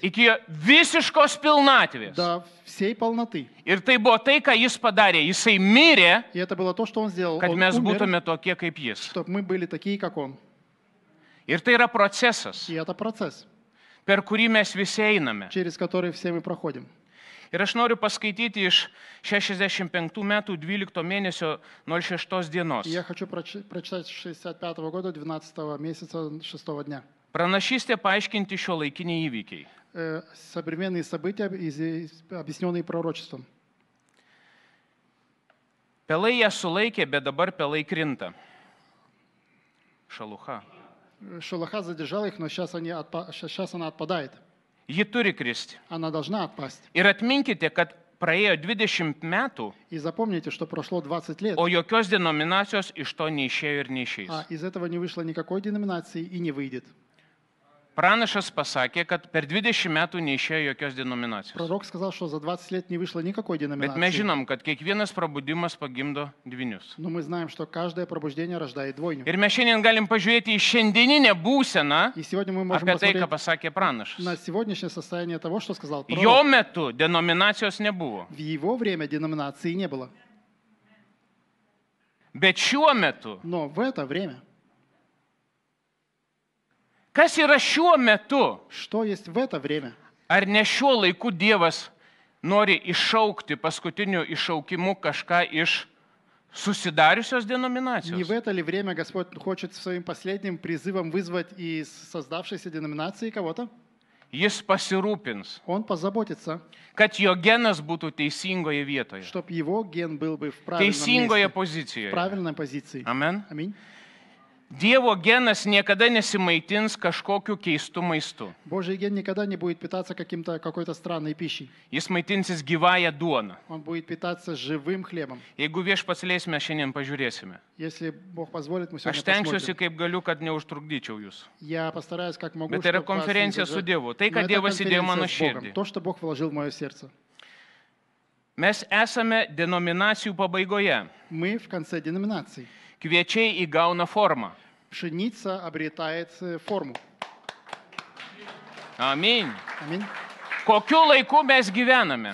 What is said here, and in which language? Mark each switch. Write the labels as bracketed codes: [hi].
[lt] Iki visiškos pilnatvės. [ru] До всей полноты. [lt] Ir tai buvo tai, ką jis padarė. Jisai mirė. [ru] И это было то, что он сделал. [lt] Kad [ru] мы [lt] būtume tokie kaip jis. [ru] Чтоб мы были такие, как он. [lt] Ir tai yra procesas. [ru] И это процесс. [lt] Per kurį mes visi einame. [ru] Через который все мы проходим. [lt] Ir aš noriu paskaityti iš 65 metų 12 mėnesio 06 dienos. [ru] Я хочу прочитать 65 года 12 месяца 6 дня. [lt] Pranašystė paaiškinti šiuolaikiniai įvykiai. [ru] Современные события, объяснённые пророчеством. [lt] Pelai ją sulaikė, bet dabar pelai krinta. [ru] Шалуха. Шалуха задержала их, но сейчас она отпадает. [lt] Ji turi kristi. [ru] Она должна отпасть. [lt] Ir atminkite, kad praėjo 20 metų. [ru] И запомните, что прошло 20 лет. [lt] O jokios denominacijos iš to neišėjo ir neišės. [ru] А из этого не вышло никакой деноминации и не выйдет. [lt] Pranašas pasakė, kad per 20 metų neišėjo jokios denominacijos. [ru] Пророк сказал, что за 20 лет не вышло никакой деноминации. [lt] Bet mes žinom, kad kiekvienas prabudimas pagimdo dvynius. [ru] Но мы знаем, что каждое пробуждение рождает двойню. [lt] Ir mes šiandien galim pažiūrėti į šiandieninę būseną. [ru] И сегодня мы можем [lt] apie tai, ką pasakė pranašas. [ru] На сегодняшнее состояние того, что сказал пророк. [lt] Jo metu denominacijos nebuvo. [ru] В его время деноминации не было. [lt] Bet šiuo metu. [ru] Но в это время. [lt] Kas yra šiuo metu? [ru] Što есть в это время? [lt] Ar ne šiuo laiku Dievas nori iššaukti paskutiniu iššaukimu kažką iš susidariusios denominacijos? [ru] Не в это ли время Господь хочет своим последним призывом вызвать из создавшейся деноминации кого-то? [lt] Jis pasirūpins. [ru] Он позаботится. [lt] Kad jo genas būtų teisingoje vietoje. [ru] Чтоб его ген был бы в правильном [lt] Teisingoje pozicijoje. [ru] В правильной позиции. [lt] Amen. Amen. Dievo genas niekada nesimaitins kažkokiu keistu maistu. [ru] Божий ген никогда не будет питаться каким-то какой-то странной пищей. [lt] Jis maitinsis gyvąja duona. [ru] Он будет питаться живым хлебом. [lt] Jeigu Viešpats leis, mes šiandien pažiūrėsime. [ru] Если Бог позволит, мы сегодня посмотрим. [lt] Aš stengsiuosi, kaip galiu, kad neužtrukdyčiau jūs. [ru] Я постараюсь, как могу. [lt] Bet yra konferencija su Dievu. Tai, ką Dievas įdėjo mano širdį. [ru] То, что Бог вложил в моё сердце. [lt] Mes esame denominacijų pabaigoje. [ru] Мы в конце деноминаций. [lt] Kviečiai įgauna formą. [ru] Пшеница обретает форму. Аминь. Аминь. [lt] Kokiu laiku mes gyvename?